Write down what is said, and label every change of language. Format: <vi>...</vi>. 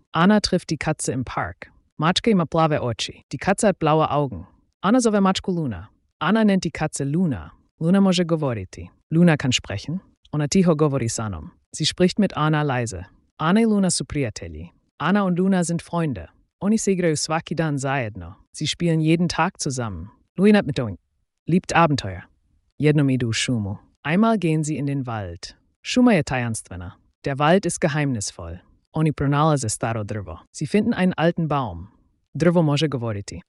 <de>Ana trifft die Katze im Park.</de> <hr>Mačka ima plave oči.</hr> <de>Die Katze hat blaue Augen.</de> <hr>Ana zove mačku Luna.</hr> <de>Ana nennt die Katze Luna.</de> <hr>Luna može govoriti.</hr> <de>Luna kann sprechen.</de> <hr>Ona tiho govori s Anom.</hr> <de>Sie spricht mit Ana leise.</de> <hr>Ana i Luna su prijatelji.</hr> <de>Ana und Luna sind Freunde.</de> <hr>Oni se igraju svaki dan zajedno.</hr> <de>Sie spielen jeden Tag zusammen. Luna mit Doink. Liebt Abenteuer.</de> <hr>Jednom idu u šumu.</hr> <de>Einmal gehen sie in den Wald.</de> <hr>Šuma je tajanstvena.</hr> <de>Der Wald ist geheimnisvoll.</de> <hr>Oni pronalaze staro drvo.</hr> <de>Sie finden einen alten Baum.</de> <hr>Drvo može govoriti.</hr>